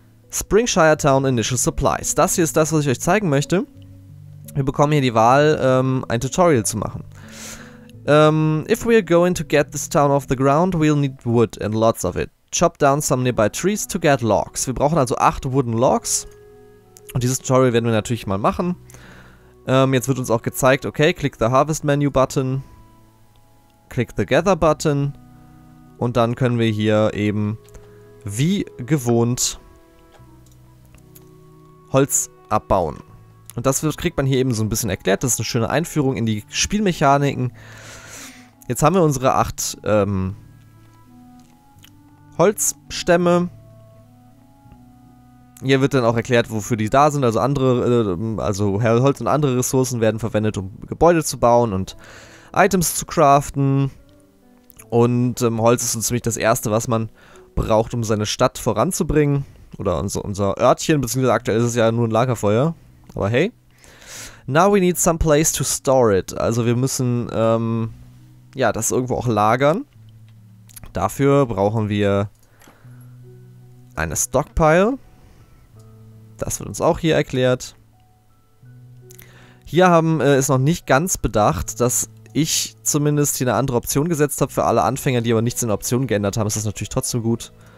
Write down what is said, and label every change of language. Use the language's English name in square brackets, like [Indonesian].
[English] Springshire Town Initial Supplies. [German] Das hier ist das, was ich euch zeigen möchte. Wir bekommen hier die Wahl, ein Tutorial zu machen. [English] If we are going to get this town off the ground, we'll need wood and lots of it. Chop down some nearby trees to get logs. [German] Wir brauchen also 8 wooden logs. Und dieses Tutorial werden wir natürlich mal machen. Jetzt wird uns auch gezeigt, okay, [English] click the harvest menu button. Click the gather button. [German] Und dann können wir hier eben wie gewohnt Holz abbauen. Und das kriegt man hier eben so ein bisschen erklärt. Das ist eine schöne Einführung in die Spielmechaniken. Jetzt haben wir unsere 8 Holzstämme. Hier wird dann auch erklärt, wofür die da sind. Also andere, also Holz und andere Ressourcen werden verwendet, um Gebäude zu bauen und Items zu craften. Und Holz ist so ziemlich das Erste, was man braucht, um seine Stadt voranzubringen. Oder unser Örtchen, beziehungsweise aktuell ist es ja nur ein Lagerfeuer. Aber hey. [English] Now we need some place to store it. [German] Also wir müssen das irgendwo auch lagern. Dafür brauchen wir eine Stockpile. Das wird uns auch hier erklärt. Hier haben ist noch nicht ganz bedacht, dass ich zumindest hier eine andere Option gesetzt habe für alle Anfänger, die aber nichts in der Option geändert haben. Ist das natürlich trotzdem gut.